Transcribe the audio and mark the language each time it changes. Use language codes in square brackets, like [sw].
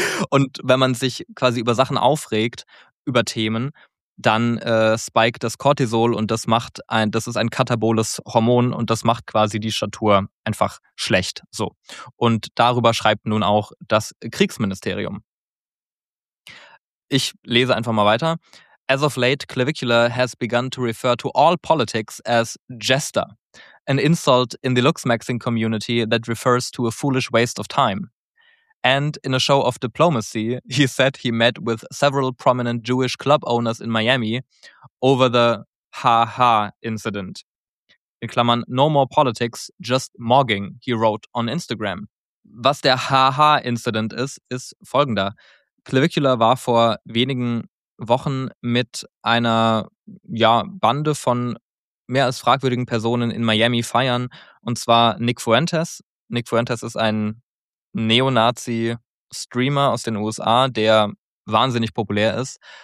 [de] Und wenn man sich quasi über Sachen aufregt, über Themen, dann spiked das Cortisol und das ist ein kataboles Hormon und das macht quasi die Statur einfach schlecht. So. Und darüber schreibt nun auch das Kriegsministerium. Ich lese einfach mal weiter. [en] "As of late, Clavicula has begun to refer to all politics as jester, an insult in the looks-maxing community that refers to a foolish waste of time. And in a show of diplomacy, he said he met with several prominent Jewish club owners in Miami over the ha-ha incident. [de] In Klammern, [en] no more politics, just mogging, he wrote on Instagram." [de] Was der Ha-Ha-Incident ist, ist folgender. Clavicula war vor wenigen Wochen mit einer Bande von mehr als fragwürdigen Personen in Miami feiern, und zwar Nick Fuentes. Nick Fuentes ist ein Neonazi-Streamer aus den USA, der wahnsinnig populär ist.